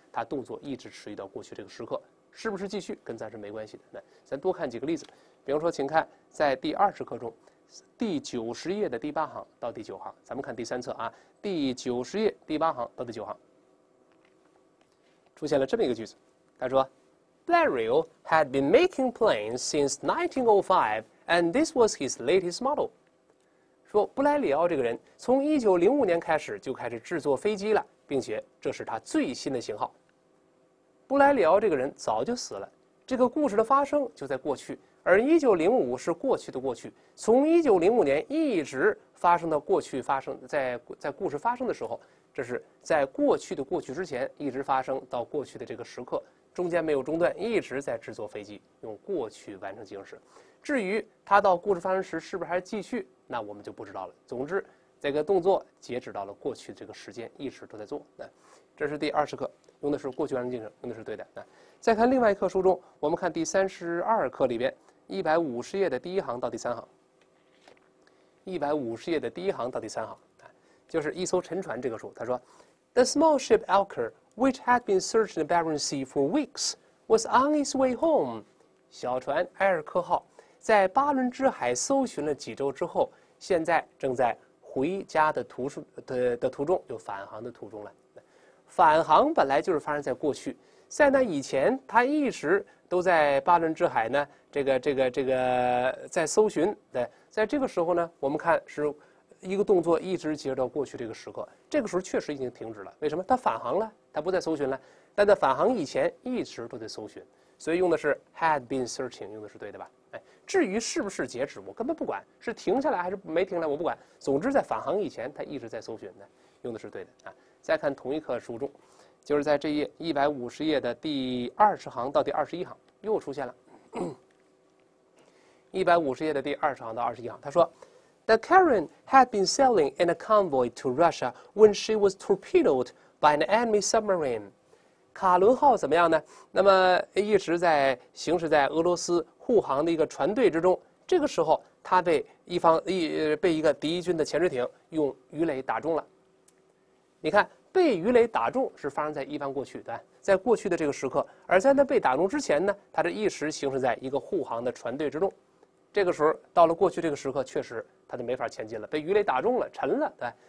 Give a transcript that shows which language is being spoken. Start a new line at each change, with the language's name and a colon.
Chinese: 它动作一直持续到过去这个时刻，是不是继续跟咱是没关系的。那咱多看几个例子，比方说，请看在第20课中。第90页的第8行到第9行，咱们看第3册啊。第90页第8行到第9行，出现了这么一个句子。他说
English: ，Blériot had been making planes since 1905, and this was his latest model。
Chinese: 说布莱里奥这个人从1905年开始就开始制作飞机了，并且这是他最新的型号。布莱里奥这个人早就死了，这个故事的发生就在过去。而1905是过去的过去，从1905年一直发生到过去发生，在故事发生的时候，这是在过去的过去之前一直发生到过去的这个时刻，中间没有中断，一直在制作飞机，用过去完成进行时。至于它到故事发生时是不是还继续，那我们就不知道了。总之，这个动作截止到了过去的这个时间，一直都在做。这是第20课，用的是过去完成进行，用的是对的。再看另外一课书中，我们看第32课里边150页的第1行到第3行。 150页的第1行到第3行，就是一艘沉船这个书。他说
English: ，The small ship Elker, which had been searching the Barren Sea for weeks, was on its way home。
Chinese: 小船埃尔克号在巴伦支海搜寻了几周之后，现在正在回家的途中，就返航的途中了。返航本来就是发生在过去。在那以前，他一直都在巴伦支海呢，这个在搜寻。对，在这个时候呢，我们看是一个动作一直截止到过去这个时刻。这个时候确实已经停止了，为什么？他返航了，他不再搜寻了。但在返航以前，一直都在搜寻，所以用的是
English: had been searching，
Chinese: 用的是对的吧？至于是不是截止，我根本不管，是停下来还是没停来，我不管。总之，在返航以前，他一直在搜寻的，用的是对的啊。再看同一课书中。就是在这页150页的第20行到第21行，又出现了。 150页的第20行到21行，他说
English: ，The Karen had been sailing in a convoy to Russia when she was torpedoed by an enemy submarine。
Chinese: 卡伦号怎么样呢？那么一直在行驶在俄罗斯护航的一个船队之中，这个时候他被被一个敌军的潜水艇用鱼雷打中了。你看。被鱼雷打中是发生在一般过去的，在过去的这个时刻，而在那被打中之前呢，他是一时行驶在一个护航的船队之中，这个时候到了过去这个时刻，确实他就没法前进了，被鱼雷打中了，沉了，对。